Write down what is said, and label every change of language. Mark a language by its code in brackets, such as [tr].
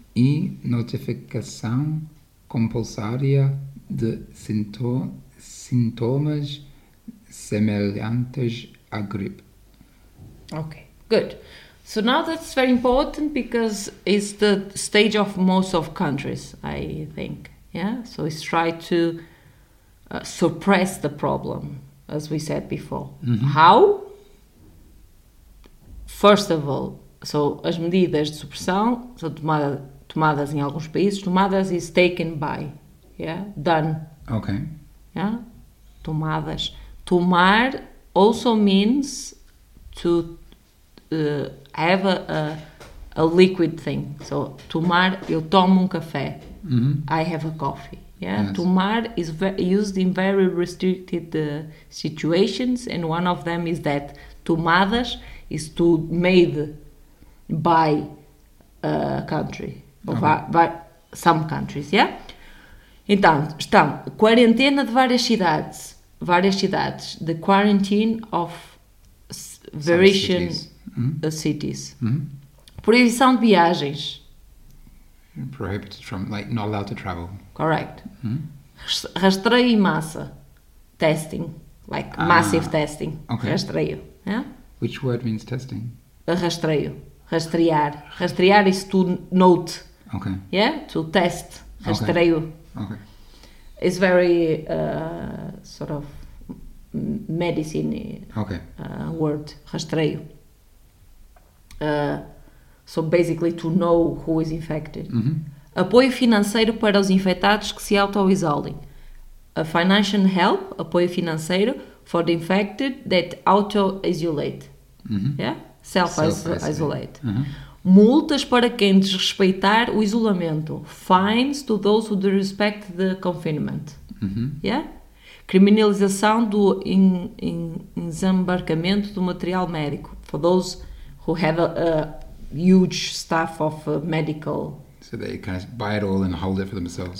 [pt] E notificação compulsória de sintomas semelhantes à gripe. [en] Ok. Good. So now that's very important because it's the stage of most of countries, I think. Yeah? So it's try to suppress the problem, as we said before. Mm-hmm. How? First of all, so [pt] as medidas de supressão são tomadas em alguns países. [en] Tomadas is taken by, yeah, done. Okay. Yeah, tomadas. Tomar also means to have a liquid thing. [pt] So tomar, eu tomo café. Mm-hmm. [en] I have a coffee. Yeah, yes. Tomar is used in very restricted situations, and one of them is that tomadas is to made by a country, okay, or by some countries, yeah? [pt] Então, estão quarentena de várias cidades, [en] the quarantine of Varician cities. Mm-hmm. [pt] Proibição de viagens. [en] Prohibited from, like, not allowed to travel. Correct. Mm-hmm. [pt] Rastreio em massa. [en] Testing. Like, massive testing. Okay. Rastreio. Yeah? Which word means testing? Rastreio. Rastrear. Rastrear is to note. Okay. Yeah? To test. Rastreio. Okay. It's very sort of medicine okay. Word. Rastreio. So basically to know who is infected. Mm-hmm. [pt] Apoio financeiro para os infectados que se auto-isolem. [en] A financial help, [pt] apoio financeiro [en] for the infected that auto-isolate. Mm-hmm. Yeah? Self-isolate. Mm-hmm. [pt] Multas para quem desrespeitar o isolamento. [en] Fines to those who disrespect the confinement. Mm-hmm. Yeah? [pt] Criminalização do desembarcamento do material médico. [en] For those who have a huge staff of medical. So they can just buy it all and hold it for themselves.